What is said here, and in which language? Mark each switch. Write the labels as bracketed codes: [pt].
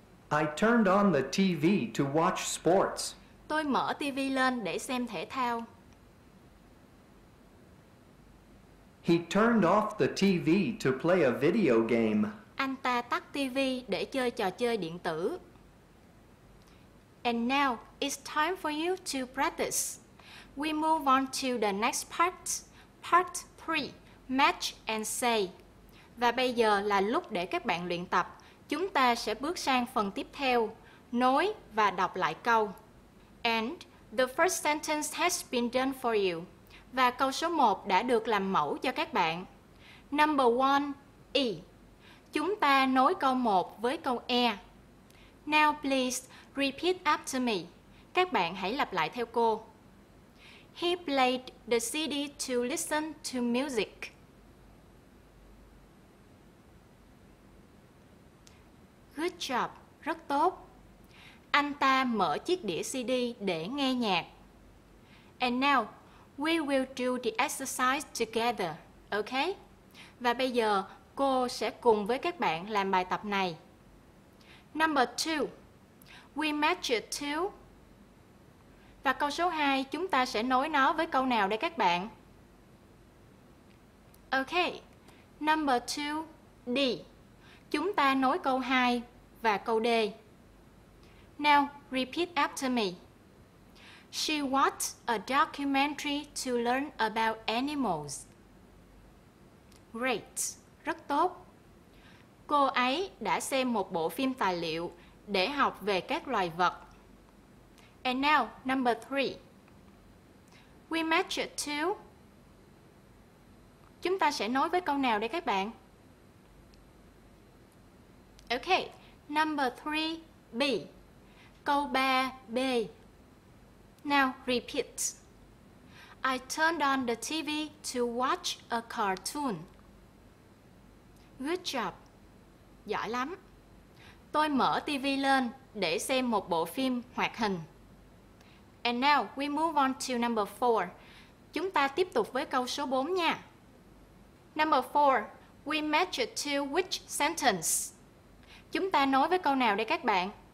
[en] I turned on the TV to watch sports. [vi] Tôi mở TV lên để xem thể thao. [en] He turned off the TV to play a video game. [vi] Anh ta tắt TV để chơi trò chơi điện tử. [en] And now it's time for you to practice. We move on to the next part. Part 3, match and say. [vi] Và bây giờ là lúc để các bạn luyện tập. Chúng ta sẽ bước sang phần tiếp theo, nối và đọc lại câu. [en] And the first sentence has been done for you. [vi] Và câu số 1 đã được làm mẫu cho các bạn. [en] Number 1, E. [vi] Chúng ta nối câu 1 với câu E. [en] Now please repeat after me. [vi] Các bạn hãy lặp lại theo cô. [en] He played the CD to listen to music. Good job, [vi] rất tốt. Anh ta mở chiếc đĩa CD để nghe nhạc. [en] And now, we will do the exercise together, okay? [vi] Và bây giờ, cô sẽ cùng với các bạn làm bài tập này. [en] Number 2, we match it to. [vi] Và câu số 2, chúng ta sẽ nối nó với câu nào đây các bạn? [en] Okay, number 2, D. [vi] Chúng ta nối câu 2 và câu D. [en] Now, repeat after me. She watched a documentary to learn about animals. Great, [vi] rất tốt. Cô ấy đã xem một bộ phim tài liệu để học về các loài vật. [en] And now, number 3. We match it to. [vi] Chúng ta sẽ nối với câu nào đây các bạn? [en] Okay, number 3, B. [vi] Câu 3, B. [en] Now, repeat. I turned on the TV to watch a cartoon. Good job. [vi] Giỏi lắm. Tôi mở TV lên để xem một bộ phim hoạt hình. [en] And now, we move on to number 4. [vi] Chúng ta tiếp tục với câu số 4 nha. [en] Number 4. We match it to which sentence? [vi] Chúng ta nối với câu nào đây các bạn?